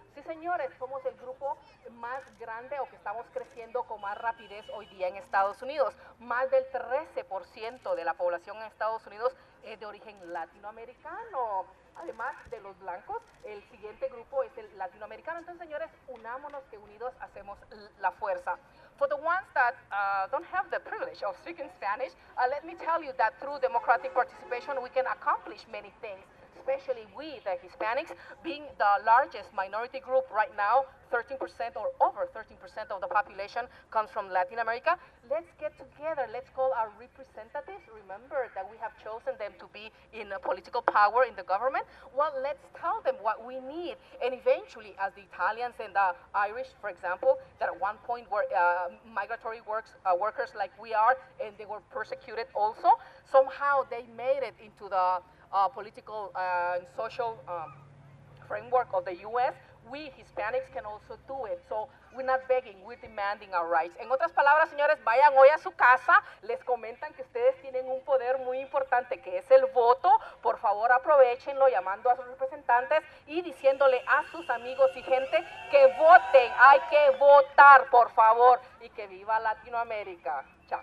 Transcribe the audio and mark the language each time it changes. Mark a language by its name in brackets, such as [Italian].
[Spanish] Sí, señores, somos el grupo más grande o que estamos creciendo con más rapidez hoy día en Estados Unidos. Más del 13% de la población en Estados Unidos es de origen latinoamericano. Además de los blancos, el siguiente grupo es el latinoamericano. Entonces, señores, unámonos, que unidos hacemos la fuerza. [English] For the ones that don't have the privilege of speaking Spanish, let me tell you that through democratic participation, we can accomplish many things, especially we, the Hispanics, being the largest minority group right now, 13% or over 13% of the population comes from Latin America. Let's get together. Let's call our representatives. Remember that we have chosen them to be in a political power in the government. Well, let's tell them what we need. And eventually, as the Italians and the Irish, for example, that at one point were migratory workers like we are, and they were persecuted also, somehow they made it into the political and social framework of the U.S., we Hispanics can also do it. So we're not begging, we're demanding our rights. [Spanish] En otras palabras, señores, vayan hoy a su casa, les comentan que ustedes tienen un poder muy importante, que es el voto. Por favor, aprovechenlo llamando a sus representantes y diciéndole a sus amigos y gente que voten. Hay que votar, por favor, y que viva Latinoamérica.